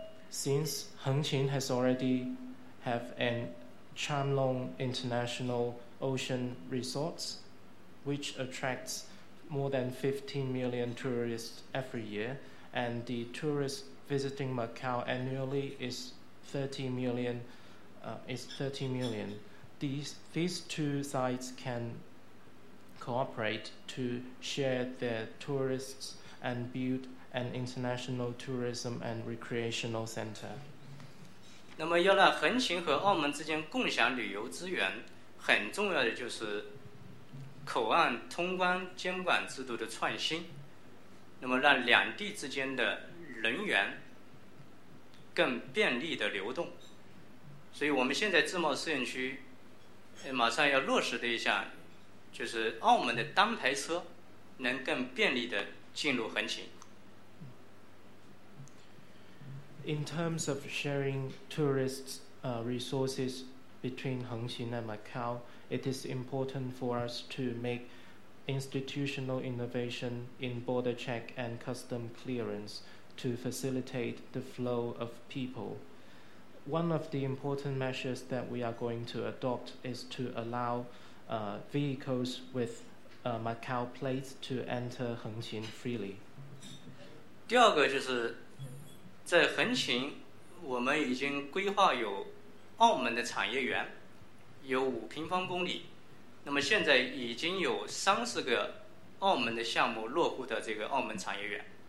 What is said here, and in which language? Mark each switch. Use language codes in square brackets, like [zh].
[en] Since Hengqin has already have a Chamlong International Ocean Resorts, which attracts more than 15 million tourists every year, and the tourists visiting Macau annually is 30 million. These two sites can cooperate to share their tourists and build an international tourism and recreational center. [zh] 那么要让横琴和澳门之间共享旅游资源，很重要的就是口岸通关监管制度的创新，那么让两地之间的人员更便利的流动。所以我们现在自贸试验区马上要落实的一项就是澳门的单排车能更便利地进入横琴。 [en] In terms of sharing tourists resources between Hengqin and Macau, it is important for us to make institutional innovation in border check and custom clearance to facilitate the flow of people. One of the important measures that we are going to adopt is to allow vehicles with Macau plates to enter Hengqin freely. [zh] 第二个就是在横琴我们已经规划有澳门的产业园有5平方公里那么现在已经有30个澳门的项目落户的这个澳门产业园